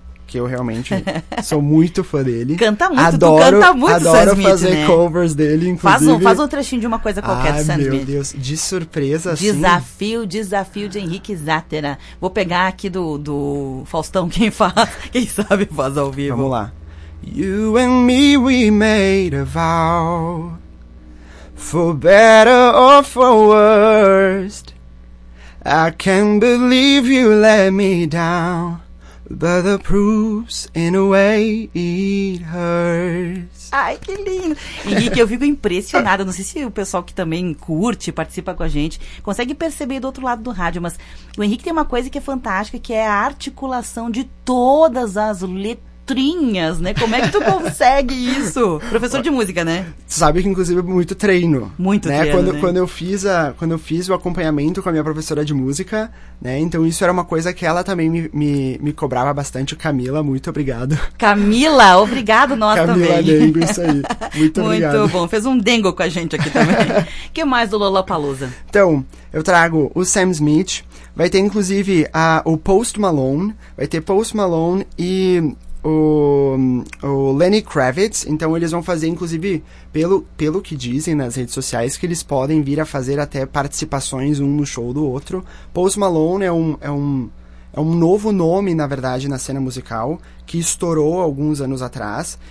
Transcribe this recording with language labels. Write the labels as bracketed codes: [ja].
[pt] Que eu realmente sou muito fã dele. Canta muito, adoro, tu canta muito, adoro Sam Smith, fazer, né, covers dele, inclusive. Faz um trechinho de uma coisa qualquer do Sam Smith. Ai, meu Deus, de surpresa, assim. Desafio de Henrique Zátera. Vou pegar aqui do Faustão, quem sabe faz ao vivo. Vamos lá. [en] You and me, we made a vow, for better or for worst, I can't believe you let me down, but the proofs, in a way, it hurts. [pt] Ai, que lindo! Henrique, eu fico impressionada. Não sei se o pessoal que também curte, participa com a gente, consegue perceber do outro lado do rádio, mas o Henrique tem uma coisa que é fantástica, que é a articulação de todas as letras. Letrinhas, né? Como é que tu consegue isso? Professor de música, né? Tu sabe que, inclusive, muito treino. Muito, né? Treino, quando, né? Quando eu fiz o acompanhamento com a minha professora de música, né? Então, isso era uma coisa que ela também me cobrava bastante. Camila, muito obrigado. Camila, obrigado, nós Camila também. Camila Dengo, isso aí. Muito, muito obrigado. Muito bom. Fez um dengo com a gente aqui também. O que mais do Lollapalooza? Então, eu trago o Sam Smith. Vai ter, inclusive, o Post Malone. Vai ter Post Malone e... O Lenny Kravitz. Então eles vão fazer, inclusive, pelo que dizem nas redes sociais, que eles podem vir a fazer até participações um no show do outro. Post Malone é um novo nome, na verdade, na cena musical, que estourou alguns anos atrás.